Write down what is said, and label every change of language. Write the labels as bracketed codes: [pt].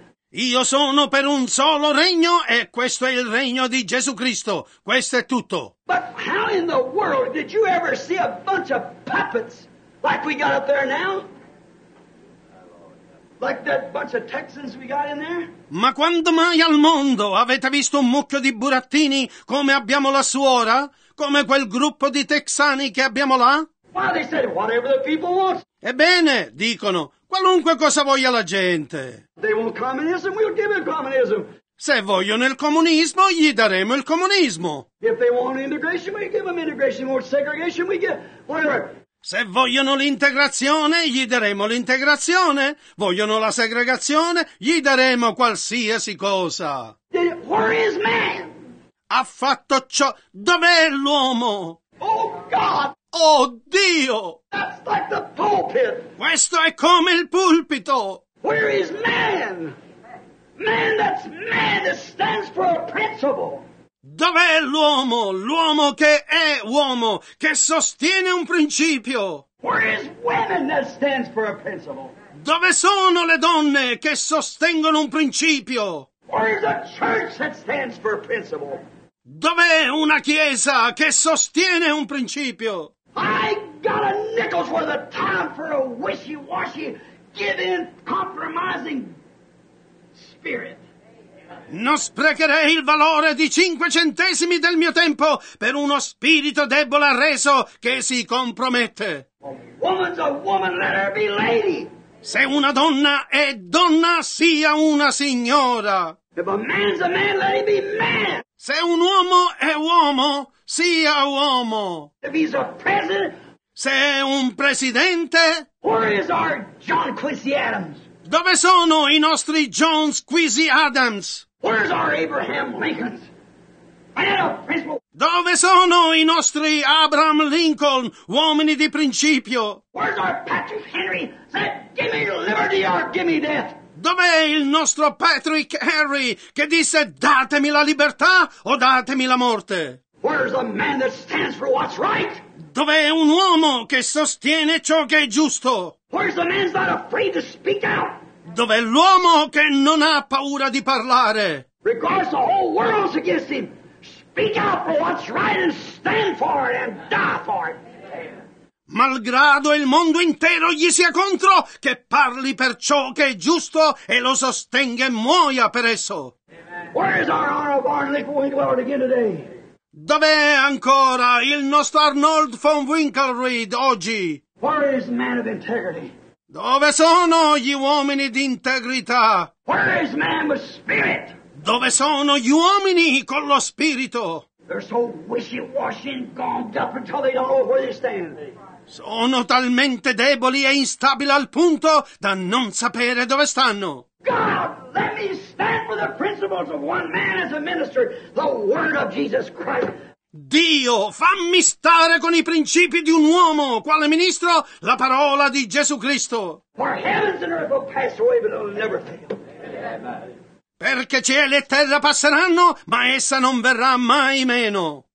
[it] Io sono per un solo regno e questo è il regno di Gesù Cristo. Questo è tutto. [en] But how in the world did you ever see a bunch of puppets like we got up there now? Like that bunch of Texans we got in there? [it] Ma quando mai al mondo avete visto un mucchio di burattini come abbiamo lassù ora? Come quel gruppo di texani che abbiamo là? [en] Well, they said, whatever the people want. [it] Ebbene, dicono, qualunque cosa voglia la gente. [en] They want communism, we'll give them communism. [it] Se vogliono il comunismo, gli daremo il comunismo. [en] If they want integration, we give them integration. If they want segregation, we give whatever. [it] Se vogliono l'integrazione, gli daremo l'integrazione. Vogliono la segregazione, gli daremo qualsiasi cosa. [en] Where is man? [it] Ha fatto ciò. Dov'è l'uomo? [en] Oh, God! [it] Oh, Dio! [en] That's like the pulpit. [it] Questo è come il pulpito. [en] Where is man? Man, that's man that stands for a principle. [it] Dov'è l'uomo? L'uomo che è uomo, che sostiene un principio. [en] Where is women that stands for a principle? [it] Dove sono le donne che sostengono un principio? [en] Where is a church that stands for a principle? [it] Dov'è una chiesa che sostiene un principio? [en] I got a nickel's worth of time for a wishy-washy, give-in, compromising spirit. [it] Non sprecherei il valore di 5 centesimi del mio tempo per uno spirito debole arreso che si compromette. [en] A woman's a woman, let her be lady. [it] Se una donna è donna, sia una signora. [en] If a man's a man, let him be man. [it] Se un uomo è uomo, sia uomo. [en] If he's a president, [it] se è un presidente, [en] where is our John Quincy Adams? [it] Dove sono i nostri John Quincy Adams? [en] Where's our Abraham Lincolns? Man of principle. [it] Dove sono i nostri Abraham Lincoln, uomini di principio? [en] Where's our Patrick Henry? Said, give me liberty or give me death. [it] Dov'è il nostro Patrick Henry che disse, datemi la libertà o datemi la morte? [en] Where's a man that stands for what's right? [it] Dov'è un uomo che sostiene ciò che è giusto? [en] Where's the man that's not afraid to speak out? [it] Dov'è l'uomo che non ha paura di parlare? [en] Regardless, the whole world's against him. Speak out for what's right and stand for it and die for it. [it] Malgrado il mondo intero gli sia contro, che parli per ciò che è giusto e lo sostenga e muoia per esso. [en] Where is our honor of Arnold Winkelried again today? [it] Dov'è ancora il nostro Arnold von Winkelried oggi? [en] Where is the man of integrity? [it] Dove sono gli uomini di integrità? [en] Where is man with spirit? [it] Dove sono gli uomini con lo spirito? [en] They're so wishy-washy and gonged up until they don't know where they stand. [it] Sono talmente deboli e instabili al punto da non sapere dove stanno. [en] God, let me stand. stand for the principles of one man as a minister, the word of Jesus Christ. [it] Dio, fammi stare con i principi di un uomo, quale ministro? La parola di Gesù Cristo. [en] For heavens and earth will pass away, but it'll never fail. [it] Perché cielo e terra passeranno, ma essa non verrà mai meno.